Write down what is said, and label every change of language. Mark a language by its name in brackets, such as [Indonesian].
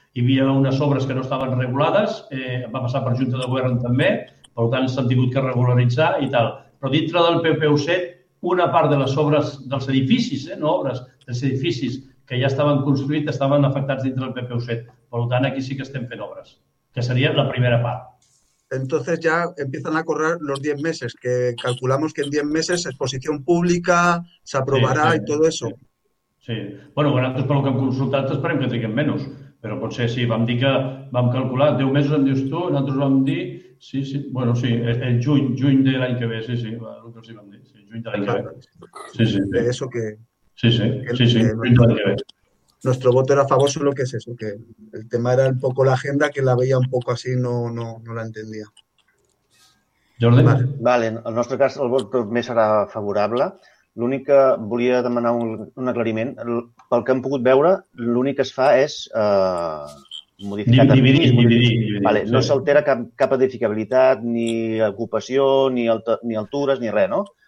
[Catalan] Hi havia unes obres que no estaven regulades, va passar per Junta de Govern també, per tant, s'han tingut que regularitzar i tal. Però dintre del PPUC, una part de les obres dels edificis, no obres, dels edificis que ja estaven construïts, estaven afectats dintre del PPUC. Per tant, aquí sí que estem fent obres, que seria la primera part. [Spanish] Entonces ya empiezan a correr los 10 meses, que calculamos que en 10 meses exposición pública se aprobará y todo eso. [Catalan] Bueno, nosaltres, pel que hem consultat, esperem que triguem menys. Però potser sí, vam dir que vam calcular 10 mesos, em dius tu, nosaltres vam dir, sí, bueno, sí, el juny de l'any que ve, sí, el que els vam dir, sí, juny de l'any que ve. [Spanish] Claro, [Catalan] Sí. [Spanish] eso [Catalan] Sí, juny [Spanish] que [Catalan] de l'any que ve. [Spanish] nuestro voto era a favor, solo que es eso, que el tema era un poco la agenda, que la veía un poco así, no la entendía. [Catalan] Jordi? Vale. Vale, en el nostre cas el vot més serà favorable. L'únic que volia demanar un aclariment, pel que hem pogut veure, l'únic que es fa és modificar terminis, modificar. Vale, no s'altera cap edificabilitat, ni ocupació, ni altures, ni res, no?